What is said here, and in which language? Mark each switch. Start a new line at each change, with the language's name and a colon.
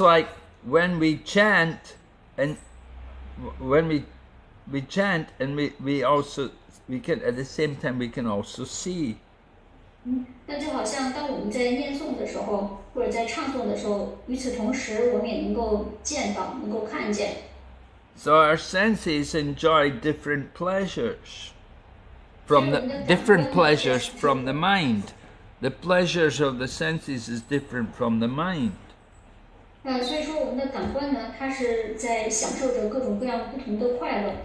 English: like when we chant and we also can at the same time see.
Chinese: 那就好像当我们在念诵的时候，或者在唱诵的时候，与此同时，我们也能够见到，能够看见。So
English: our senses enjoy different pleasures from the different pleasures from the mind. The pleasures of the senses is different from the mind.
Chinese: 那所以说，我们的感官呢，它是在享受着各种各样不同的快乐。